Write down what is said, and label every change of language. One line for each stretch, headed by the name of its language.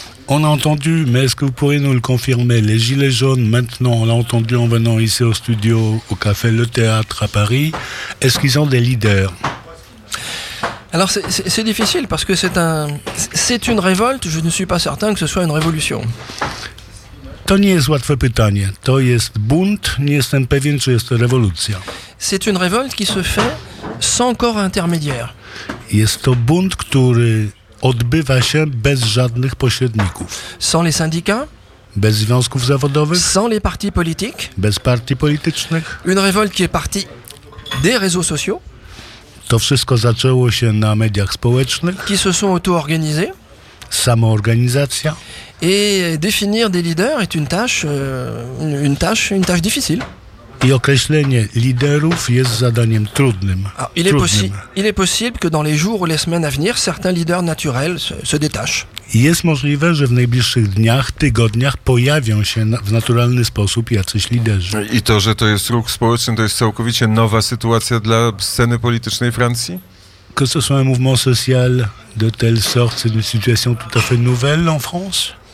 French: On a entendu, mais est-ce que vous pourriez nous le confirmer? Les gilets jaunes, maintenant, on l'a entendu en venant ici au studio, au Café Le Théâtre à Paris, est-ce qu'ils ont des leaders? Alors c'est difficile parce que c'est une révolte, je ne suis pas certain que ce soit une révolution.
Polish: To nie jest łatwe pytanie. To jest bunt, nie jestem pewien, czy jest to rewolucja.
French: C'est une révolte qui se fait sans corps intermédiaire.
Polish: Jest to bunt, który odbywa się bez żadnych pośredników.
French: Sans les syndicats?
Polish: Bez związków zawodowych?
French: Sans les partis politiques?
Polish: Bez partii politycznych?
French: Une révolte qui est partie des réseaux sociaux?
Polish: To wszystko zaczęło się na mediach społecznych.
French: Qui se sont auto-organisés?
Polish: Samoorganizacja.
French: Et définir des leaders est une tâche difficile.
Polish: I określenie liderów jest zadaniem trudnym.
French: Il est possible que dans les jours ou les semaines à venir, certains leaders naturels se détachent.
Polish: Jest możliwe, że w najbliższych dniach, tygodniach pojawią się w naturalny sposób jacyś liderzy. I to, że to jest ruch społeczny, to jest całkowicie nowa sytuacja dla sceny politycznej Francji?
French: Que ce soit un mouvement social de telle sorte, c'est une situation tout à fait nouvelle en France?